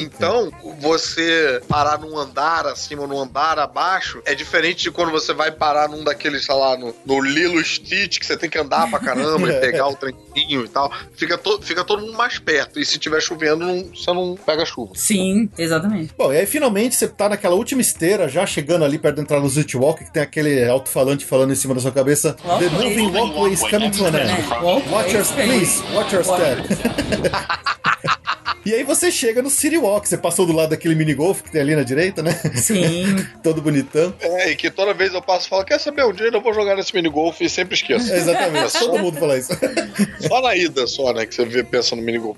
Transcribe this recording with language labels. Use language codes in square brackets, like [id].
[pt] Então, você parar num andar acima ou num andar abaixo é diferente de quando você vai parar num daqueles, sei lá, no Lilo Stitch, que você tem que andar pra caramba, e pegar o tranquinho e tal. Fica todo mundo mais perto. E se tiver chovendo, você não pega chuva. Sim, exatamente. Bom, e aí finalmente você tá naquela última esteira, já chegando ali perto de entrar no Zitwalk, que tem aquele alto-falante falando em cima da sua cabeça. [en] Walk the moving walkway is coming to an end. Watch your step, please. Watch your step. [pt] E aí você chega no City Walk, você passou do lado daquele mini golf que tem ali na direita, né? Sim. Todo bonitão. É, e que toda vez eu passo e falo, quer saber, um dia eu vou jogar nesse mini golf e sempre esqueço. Exatamente, é só... todo mundo fala isso. Só na ida só, né, que você vê, pensa no mini golf.